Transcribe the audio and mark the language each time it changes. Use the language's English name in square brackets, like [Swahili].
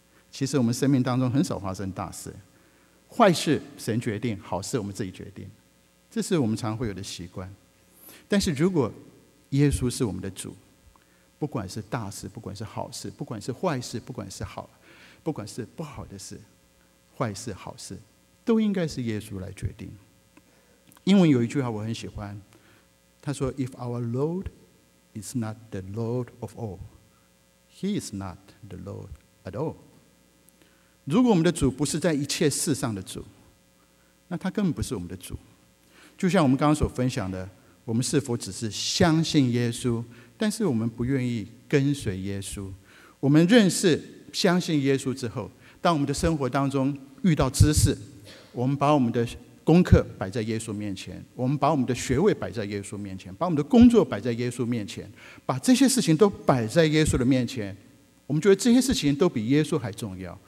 [Chinese] 其实我们生命当中很少发生大事，坏事神决定，好事我们自己决定，这是我们常会有的习惯。但是如果耶稣是我们的主，不管是大事不管是好事，不管是坏事不管是好，不管是不好的事，坏事好事都应该是耶稣来决定。英文有一句话我很喜欢，他说 [English] If our Lord is not the Lord of all, He is not the Lord at all。 [Chinese] 如果我们的主不是在一切事上的主，那他根本不是我们的主。就像我们刚刚所分享的，我们是否只是相信耶稣，但是我们不愿意跟随耶稣。我们认识相信耶稣之后，当我们的生活当中遇到知识，我们把我们的功课摆在耶稣面前，我们把我们的学位摆在耶稣面前，把我们的工作摆在耶稣面前，把这些事情都摆在耶稣的面前，我们觉得这些事情都比耶稣还重要。